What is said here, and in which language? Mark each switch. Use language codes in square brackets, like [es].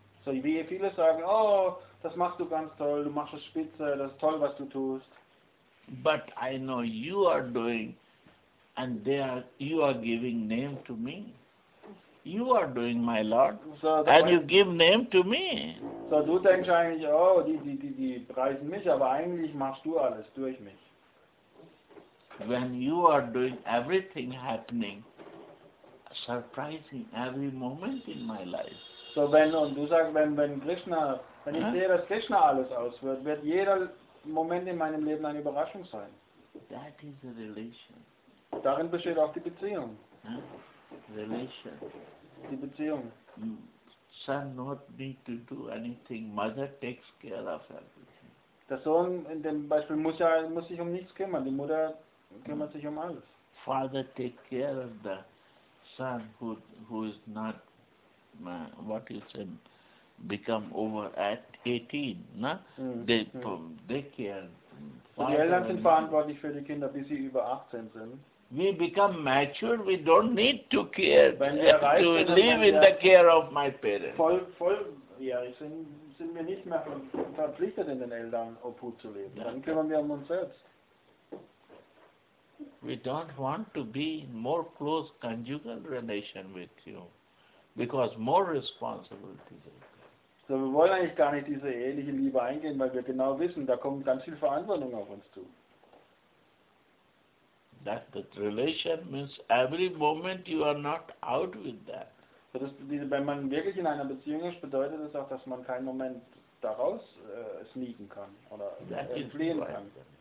[de] So wie viele sagen, oh, das machst du ganz toll, du machst es spitze, das ist toll, was du tust. [en] But I know you are doing and you are giving name to me. You are doing, my Lord, so, and you give name to me. [de] So du denkst eigentlich, oh, die preisen mich, aber eigentlich machst du alles durch mich. [en] When you are doing everything happening, surprising every moment in my life. [de] So wenn, und du sagst, wenn ich sehe, dass Krishna alles auswirkt, wird jeder Moment in meinem Leben eine Überraschung sein. [en] That is a relation. [de] Darin besteht auch die Beziehung. [en] Relation. [de] Die Beziehung. [en] Son not need to do anything. Mother takes care of everything. [de] Der Sohn in dem Beispiel muss sich um nichts kümmern. Die Mutter kümmert sich um alles. [en] Father take care of the son who is not what is him, become over at 18, na? They care. [de] So die Eltern sind verantwortlich für die Kinder, bis sie über 18 sind. [en] We become mature, we don't need to care, [de] wenn wir erreicht, [en] to [de] wenn [en] live [de] wir [en] in the care of my parents. [de] Volljährig sind wir nicht mehr verpflichtet, in den Eltern Obhut zu leben. Dann kümmern wir um uns selbst. [en] We don't want to be in more close conjugal relation with you. Because more responsibility. [de] So, wir wollen eigentlich gar nicht diese eheliche Liebe eingehen, weil wir genau wissen, da kommt ganz viel Verantwortung auf uns zu. [en] That the relation means every moment you are not out with that. [de] So dass diese, wenn man wirklich in einer Beziehung ist, bedeutet das auch, dass man keinen Moment daraus sneaken kann oder entfliehen kann.